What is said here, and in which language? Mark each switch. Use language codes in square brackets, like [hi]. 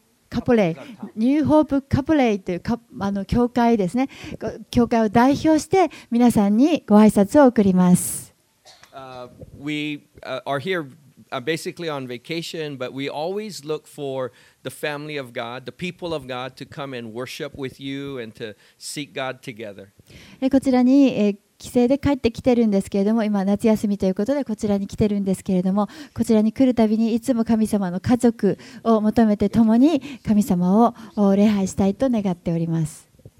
[ja] カポレイ、ニューホープカポレイという教会ですね。教会を代表して皆さんにご挨拶を送ります。 [en] We are here basically on vacation, but we always look for the family of God, the people of God to come and worship with you and to seek God together. [ja] こちらに帰省で帰ってきてるんですけれども、今夏休みということでこちらに来てるんですけれども、こちらに来るたびにいつも神様の家族を求めて共に神様を礼拝したいと願っております。